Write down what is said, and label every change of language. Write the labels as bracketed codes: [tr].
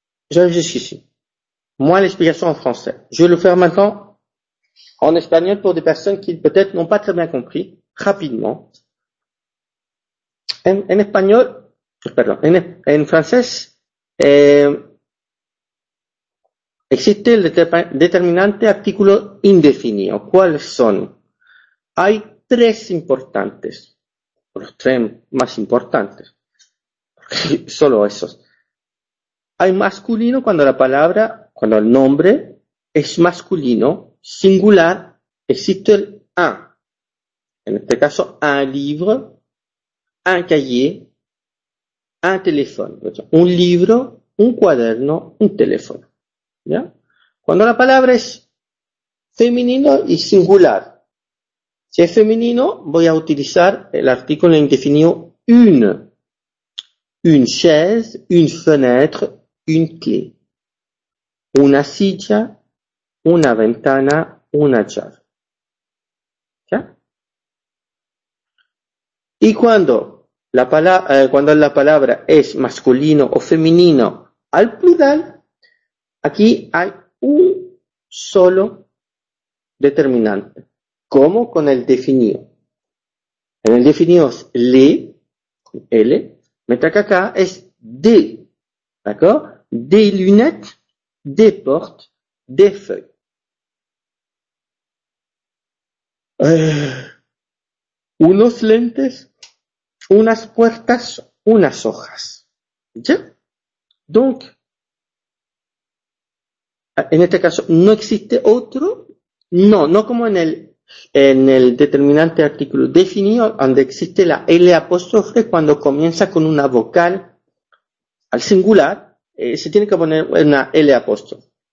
[fr] J'arrive jusqu'ici. Moi, l'explication en français. Je vais le faire maintenant en espagnol pour des personnes qui peut-être n'ont pas très bien compris, rapidement. En espagnol, pardon, en français, [es] existe el determinante artículo indefinido. ¿Cuáles son? Hay tres importantes. Los tres más importantes. Solo esos. Hay masculino cuando la palabra, cuando el nombre es masculino, singular, existe el un. En este caso, un libro, un cahier, un teléfono. Un libro, un cuaderno, un teléfono. ¿Ya? Cuando la palabra es femenino y singular. Si es femenino, voy a utilizar el artículo indefinido une. [fr] Une chaise, une fenêtre, une clé. [es] Una silla, una ventana, una llave. ¿Ya? Y cuando cuando la palabra es masculino o femenino al plural, aquí hay un solo determinante, como con el definido. En el definido es le, L, mientras que acá es de, [fr] ¿d'accord? Des lunettes, des portes, des feuilles. [es] Unos lentes, unas puertas, unas hojas. ¿Ya? Donc, en este caso, no existe otro. No, no como en el determinante artículo definido, donde existe la L apóstrofe cuando comienza con una vocal al singular, se tiene que poner una L apóstrofe.